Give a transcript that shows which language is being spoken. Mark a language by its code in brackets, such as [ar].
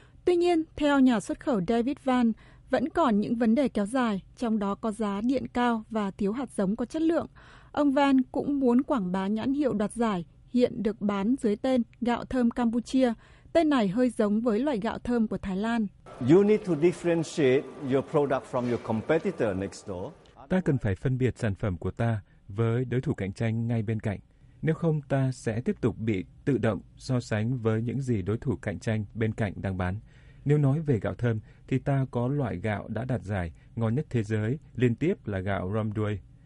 [vi] Tuy nhiên, theo nhà xuất khẩu David Van, vẫn còn những vấn đề kéo dài, trong đó có giá điện cao và thiếu hạt giống có chất lượng. Ông Van cũng muốn quảng bá nhãn hiệu đoạt giải, hiện được bán dưới tên gạo thơm Campuchia. Tên này hơi giống với loại gạo thơm của Thái Lan. [en] You need to differentiate your product from your competitor next door. [vi] Ta cần phải phân biệt sản phẩm của ta với đối thủ cạnh tranh ngay bên cạnh. Nếu không, ta sẽ tiếp tục bị tự động so sánh với những gì đối thủ cạnh tranh bên cạnh đang bán. Nếu nói về gạo thơm, thì ta có loại gạo đã đạt giải ngon nhất thế giới, liên tiếp là gạo Romdui.